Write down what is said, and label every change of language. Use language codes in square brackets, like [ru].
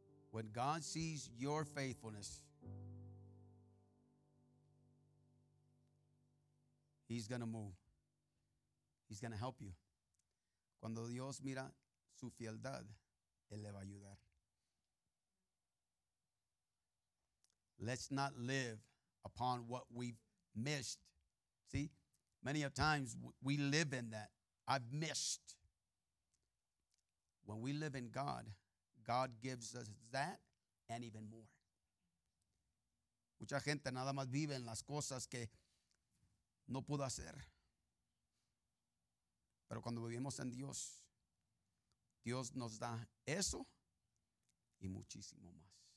[en] When God sees your faithfulness, He's going to move. He's going to help you. [es] Cuando Dios mira su fieldad, Él le va a ayudar. [en] Let's not live upon what we've missed. See, many of times we live in that. I've missed. When we live in God, God gives us that and even more. [es] Mucha gente nada más vive en las cosas que no pudo hacer. Pero cuando vivimos en Dios, Dios nos da eso y muchísimo más.